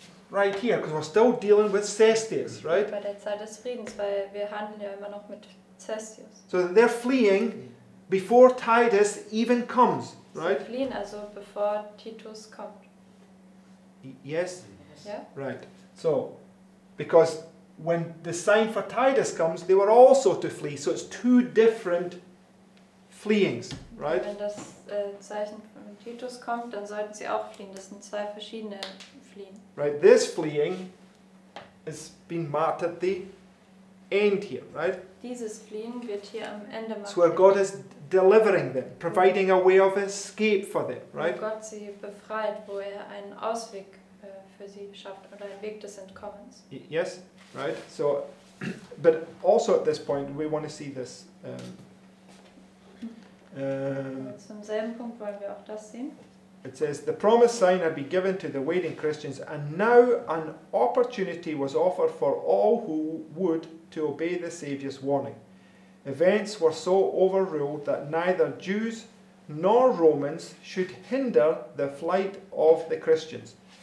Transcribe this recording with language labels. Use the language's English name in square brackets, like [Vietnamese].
[English] Right here, because we're still dealing with Cestius, right? [German] Bei der Zeit des Friedens, weil wir handeln ja immer noch mit Cestius. [English] So they're fleeing before Titus even comes, right? [German] Sie fliehen also, bevor Titus kommt. [English] Yes. Yeah. Right. So, because when the sign for Titus comes, they were also to flee. So it's two different fleeings, right? [German] Wenn das Zeichen von Titus kommt, dann sollten sie auch fliehen. Das sind zwei verschiedene Fliehen. [English] Right. This fleeing has been marked at the end here, right? [German] Dieses Fliehen wird hier am Ende markiert. [English] So where God is delivering them, providing a way of escape for them, right? [German] Wo Gott sie befreit, wo er einen Ausweg für sie schafft, oder ein Weg des Entkommens. [English] Yes, right. So, but also at this point we want to see this. [German] Zum selben Punkt wollen wir auch das sehen. [English] It says the promised sign had been given to the waiting Christians, and now an opportunity was offered for all who would to obey the Saviour's warning. Events were so overruled that neither Jews nor Romans should hinder the flight of the Christians.